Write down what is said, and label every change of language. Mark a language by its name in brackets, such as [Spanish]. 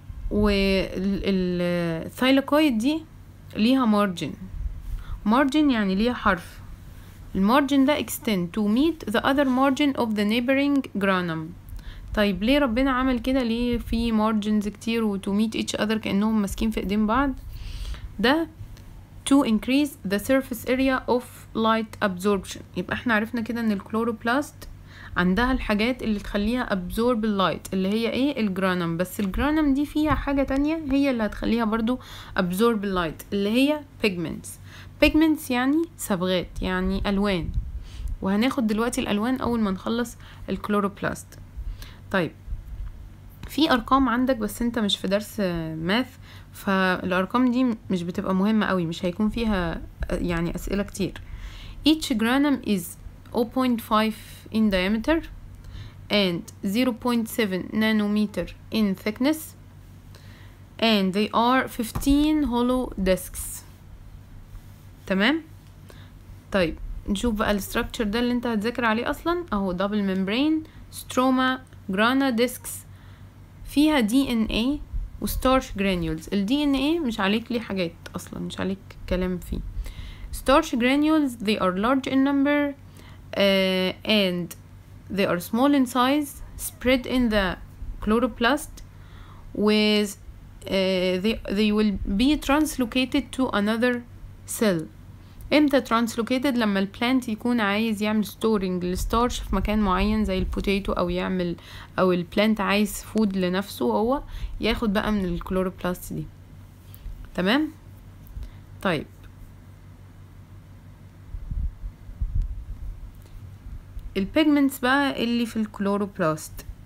[Arabic] والثايلاكويد دي ليها مارجن، مارجن يعني ليها حرف. المارجن ده [English] extend to meet the other margin of the neighboring granum. [Arabic] طيب ليه ربنا عمل كده؟ ليه في margins كتير و [English] to meet each other [Arabic] كأنهم ماسكين في ايدين بعض؟ ده [English] to increase the surface area of light absorption. [Arabic] يبقى احنا عرفنا كده ان الكلوروبلاست عندها الحاجات اللي تخليها [English] absorb light [Arabic] اللي هي ايه؟ الجرانم. بس الجرانم دي فيها حاجة تانية هي اللي هتخليها برضو [English] absorb light [Arabic] اللي هي pigments. pigments يعني صبغات، يعني ألوان، وهناخد دلوقتي الألوان أول ما نخلص الكلوروبلاست. طيب في أرقام عندك بس أنت مش في درس ماث، فالأرقام دي مش بتبقى مهمة قوي، مش هيكون فيها يعني أسئلة كتير. [English] each granum is 0.5 in diameter and 0.7 nanometer in thickness and they are 15 hollow disks. [Arabic] تمام. طيب نشوف بقى الستركتشر ده اللي انت هتذاكر عليه اصلا. اهو دبل ممبرين، ستروما، جرانا ديسكس، فيها دي ان ايه وستارش جرانيولز. الدي ان ايه مش عليك ليه حاجات اصلا، مش عليك كلام فيه. [English] Starch granules they are large in number and they are small in size spread in the chloroplast with they will be translocated to another cell. [Arabic] امتى translocated؟ لما البلانت يكون عايز يعمل storing الستارش في مكان معين زي البوتيتو، او يعمل او البلانت عايز فود لنفسه، هو ياخد بقى من الكلوروبلاست دي. تمام. طيب البيجمنتس بقى اللي في الكلوروبلاست.